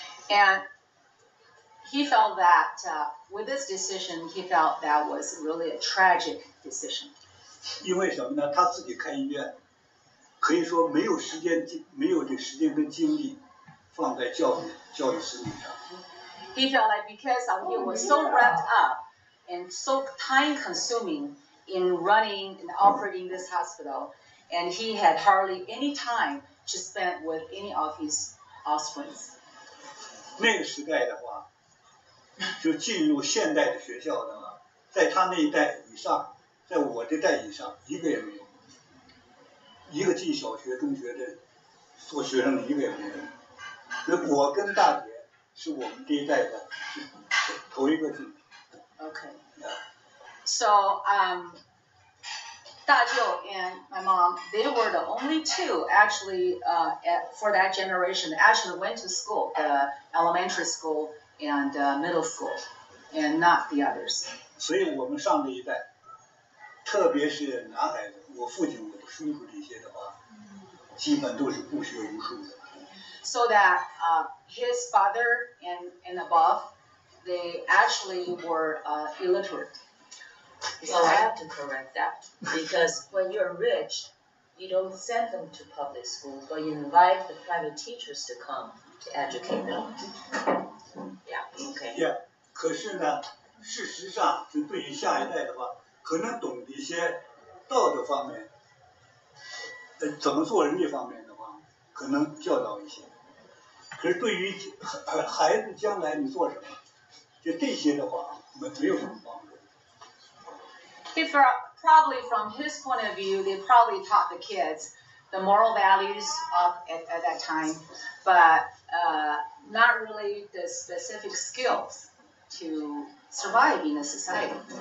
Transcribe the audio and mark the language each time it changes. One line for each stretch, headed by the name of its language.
English: And he felt that with this decision, he felt that was really a tragic decision.
Chinese: 因为什么呢? 他自己开医院, 可以说没有时间, 没有这时间跟精力, 放在教育事情上。
English: He felt like because of he was so wrapped up and so time-consuming in running and operating this hospital, and he had hardly any time to spend with any of his offspring.
Chinese: 那个时代的话, 就进入现代的学校的话, 在他那一代以上, 在我的代以上, 一个也没有, 一个进小学, 中学的, 做学生的, 一个也没有, 所以我跟大姐, 是我们第一代的, 头一个进,
English: okay. So, Dajiu and my mom, they were the only two actually for that generation that actually went to school, the elementary school and middle school, and not the others.
Chinese: 所以我们上的一代, 特别是男孩子, 我父亲, 我的叔叔这些的话, 基本都是不学无术的。
English: So that his father and above, they actually were illiterate. So I have to correct that, because when you're rich, you don't send them to public school, but you invite the private teachers to come to educate them. Yeah, okay.
Chinese: Yeah, 可是呢，事实上，就对于下一代的话，可能懂一些道德方面，怎么做人这方面的话，可能教导一些。可是对于孩子将来你做什么，就这些的话，没有什么帮助。
English: Okay, for, probably from his point of view, they probably taught the kids the moral values of at that time, but not really the specific skills to survive in a society.